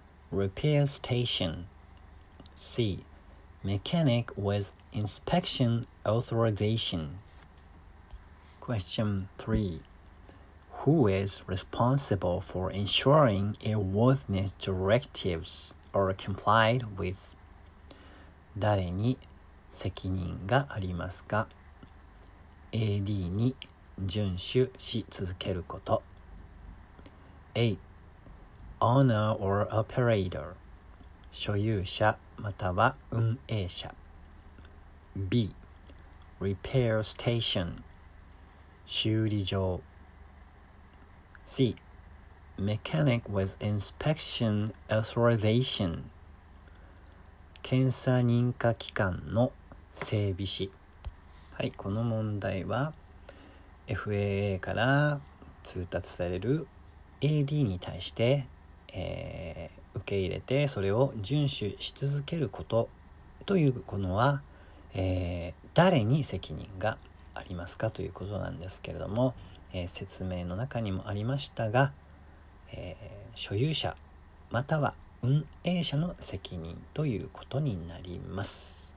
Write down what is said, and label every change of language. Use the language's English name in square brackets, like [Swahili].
[English] Repair station. C. Mechanic with inspection authorization. Question 3. Who is responsible for ensuring airworthiness directives are complied with? [Japanese] 誰に責任がありますか?AD に遵守し続けること。 [English] A. Owner or operator. [Japanese] 所有者または運営者。B. [English] Repair station. 修理場。 C. Mechanic with inspection authorization. [Japanese] 検査認可機関の整備士。はい、この問題は FAA から通達される AD に対して、受け入れてそれを遵守し続けることというこのは、誰に責任がありますかということなんですけれども、説明の中にもありましたが、所有者または運営者の責任ということになります。